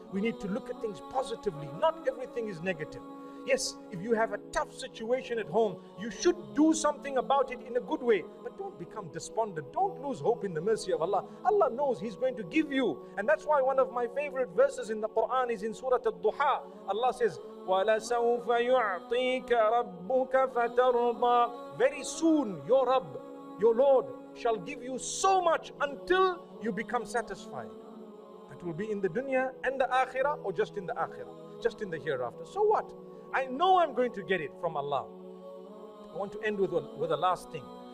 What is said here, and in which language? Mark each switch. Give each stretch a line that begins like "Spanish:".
English: We need to look at things positively. Not everything is negative. Yes, if you have a tough situation at home, you should do something about it in a good way. But don't become despondent. Don't lose hope in the mercy of Allah. Allah knows He's going to give you. And that's why one of my favorite verses in the Quran is in Surah Al-Duha. Allah says,
Arabic: وَلَسَوْفَ يُعْطِيكَ رَبُّكَ فَتَرْضَى.
English: Very soon, your Rabb, your Lord, shall give you so much until you become satisfied. That will be in the dunya and the akhirah, or just in the akhirah, just in the hereafter. So what? I know I'm going to get it from Allah. I want to end with a last thing.